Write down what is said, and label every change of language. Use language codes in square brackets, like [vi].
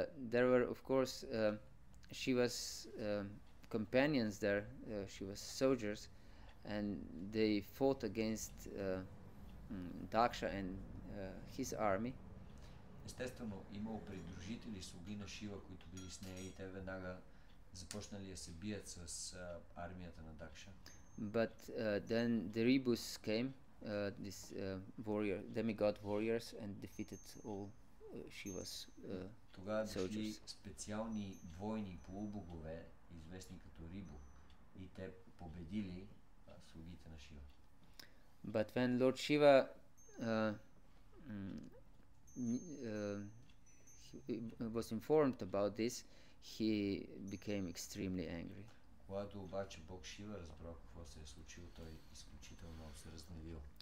[en] There were, of course, Shiva's companions there, Shiva's soldiers, and they fought against Daksha and his army. [bg] Естествено, имало придружители, слуги на Шива, които били с нея, и те веднага започнали да се бият с армията на Дакша. [en] But then the Ribus came, this warrior, demigod warriors, and defeated all Shiva's [bg] тогава дошли специални войни полубогове, известни като Рибу, и те победили слугите на Шива. [en] But when Lord Shiva was informed about this, he became extremely angry. [bg] Когато обаче Бог Шива разбра какво се е случило, той изключително се разгневил.